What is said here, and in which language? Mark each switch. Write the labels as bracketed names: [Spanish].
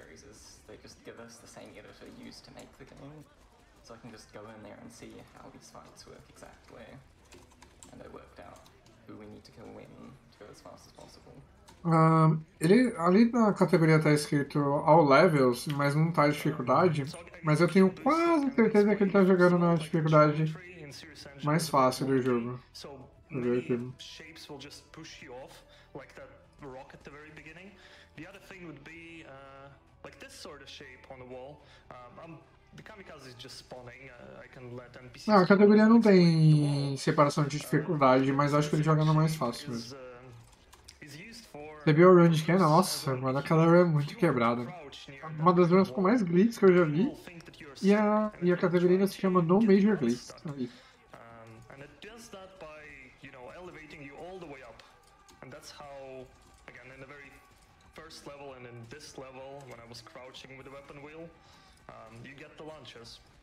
[Portuguese] Então eu posso ir lá e ver como esses lutas funcionam exatamente. [English] and I worked out who we need to kill when to go as fast as possible. [Portuguese] Ele ali na categoria tá escrito all levels, mas não tá dificuldade. Mas eu tenho quase certeza que ele tá jogando na dificuldade mais fácil do jogo. [English] Shapes will just push you off like that rock at the very beginning. The other thing would be like this sort of shape on the wall. The kamikaze is just spawning. I can let NPCs. [Portuguese] Não, a categoria não tem separação de dificuldade, mas acho que ele joga no mais fácil mesmo. Você viu a run de quem? Nossa, mano, aquela run é muito quebrada. Uma das runs com mais glitz que eu já vi. E a categoria ainda se chama No Major Glitz. [English] And it does that by, you know, elevating you all the way up. And that's how, again, in the very first level and in this level, when I was crouching with the weapon wheel, you get the launches.